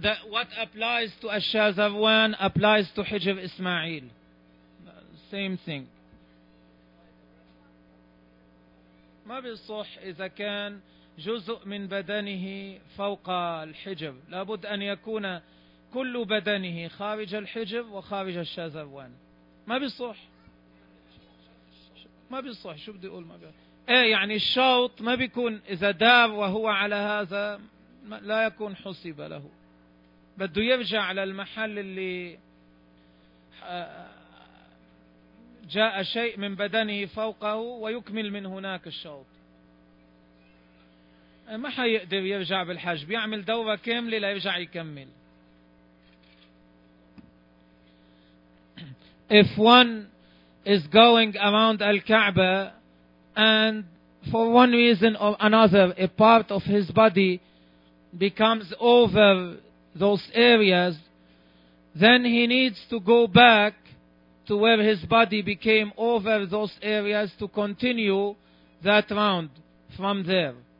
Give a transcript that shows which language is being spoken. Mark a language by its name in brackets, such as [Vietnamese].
[English] What applies to Ash-Shazarwan applies to حجر إسماعيل. Same thing. [Arabic] ما بيصح إذا كان جزء من بدنه فوق الحجر، لابد أن يكون كل بدنه خارج الحجر وخارج Ash-Shazarwan. ما بيصح. ما بيصح. شو بدي أقول ما بيصح. إيه يعني الشوط ما بيكون إذا دار وهو على هذا لا يكون حسب له. بده يرجع على المحل اللي جاء شيء من بدنه فوقه ويكمل من هناك الشوط. ما حيقدر يرجع بالحج. بيعمل دورة كاملة لا يرجع يكمل. [English] If one is going around Al-Kaaba and for one reason or another a part of his body becomes over those areas, then he needs to go back to where his body became over those areas to continue that round from there.